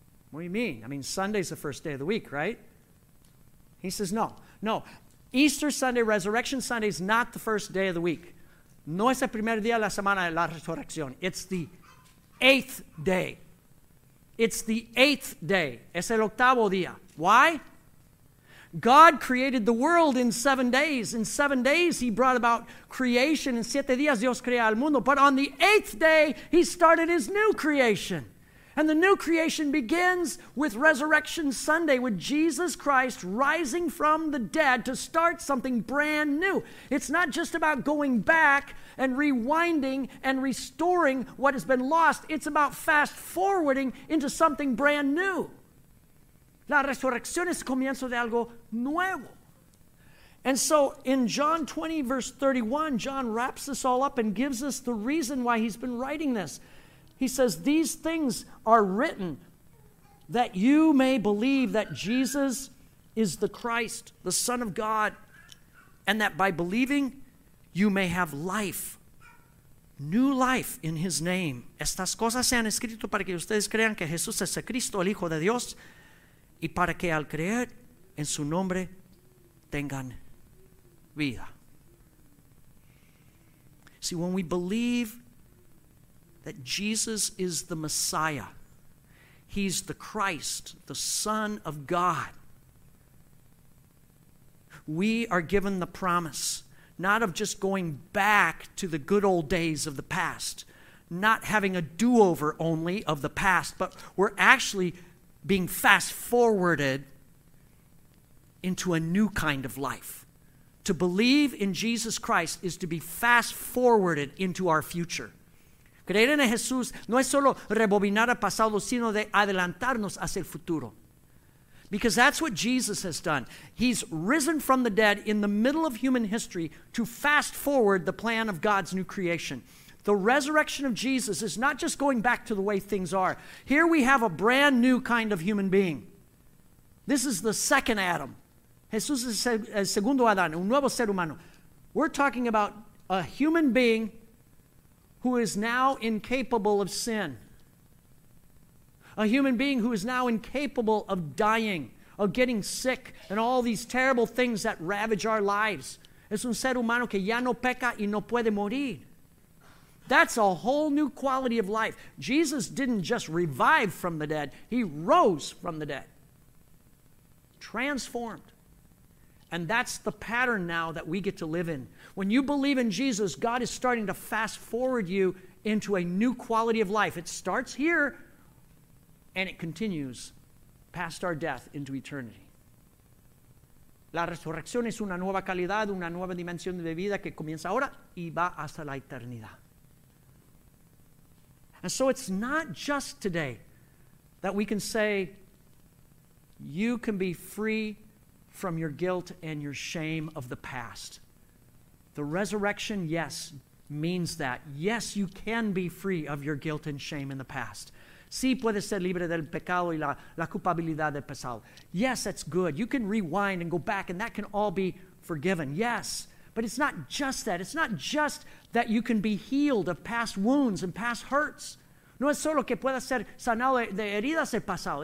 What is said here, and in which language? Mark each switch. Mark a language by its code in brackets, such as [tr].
[en] What do you mean? I mean, Sunday is the first day of the week, right? He says, no. No. Easter Sunday, Resurrection Sunday, is not the first day of the week. [es] No es el primer día de la semana de la resurrección. [en] It's the eighth day. It's the eighth day. [es] Es el octavo día. [en] Why? God created the world in 7 days. In 7 days, he brought about creation. In [es] 7 días, Dios crea el mundo. [en] But on the eighth day, he started his new creation. And the new creation begins with Resurrection Sunday, with Jesus Christ rising from the dead to start something brand new. It's not just about going back and rewinding and restoring what has been lost. It's about fast forwarding into something brand new. [es] La resurrección es el comienzo de algo nuevo. [en] And so in John 20, verse 31, John wraps this all up and gives us the reason why he's been writing this. He says, these things are written that you may believe that Jesus is the Christ, the Son of God, and that by believing you may have life, new life in his name. [es] Estas cosas se han escrito para que ustedes crean que Jesús es el Cristo, el Hijo de Dios, y para que al creer en su nombre tengan vida. [en] See, when we believe that Jesus is the Messiah, he's the Christ, the Son of God, we are given the promise, not of just going back to the good old days of the past, not having a do-over only of the past, but we're actually being fast-forwarded into a new kind of life. To believe in Jesus Christ is to be fast-forwarded into our future. [es] Creer en Jesús no es solo rebobinar al pasado, sino de adelantarnos hacia el futuro. [en] Because that's what Jesus has done. He's risen from the dead in the middle of human history to fast-forward the plan of God's new creation. The resurrection of Jesus is not just going back to the way things are. Here we have a brand new kind of human being. This is the second Adam. [es] Jesús es el segundo Adán, un nuevo ser humano. [en] We're talking about a human being who is now incapable of sin. A human being who is now incapable of dying, of getting sick, and all these terrible things that ravage our lives. [es] Es un ser humano que ya no peca y no puede morir. [en] That's a whole new quality of life. Jesus didn't just revive from the dead. He rose from the dead. Transformed. And that's the pattern now that we get to live in. When you believe in Jesus, God is starting to fast forward you into a new quality of life. It starts here, and it continues past our death into eternity. [es] La resurrección es una nueva calidad, una nueva dimensión de vida que comienza ahora y va hasta la eternidad. [en] And so it's not just today that we can say you can be free from your guilt and your shame of the past. The resurrection, yes, means that. Yes, you can be free of your guilt and shame in the past. [es] Sí, puedes ser libre del pecado y la culpabilidad del pasado. [en] Yes, that's good. You can rewind and go back, and that can all be forgiven. Yes. But it's not just that. It's not just that you can be healed of past wounds and past hurts. [es] No es solo que puedas ser sanado de heridas del pasado.